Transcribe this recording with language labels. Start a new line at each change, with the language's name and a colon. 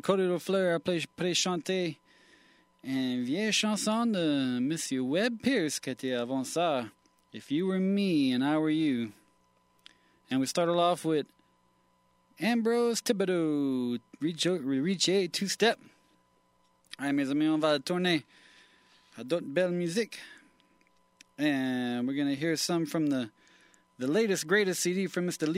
French: Cody Lafleur, Préchanté, and Vieille Chanson de Monsieur Webb Pierce, Qu'était avant ça, If You Were Me and I Were You.
English: And we started off with Ambrose Thibodeau, Reach A Two Step.
French: Hi, mes amis, on va tourner à d'autres belles musiques.
English: And we're going to hear some from the latest, greatest CD from Mr.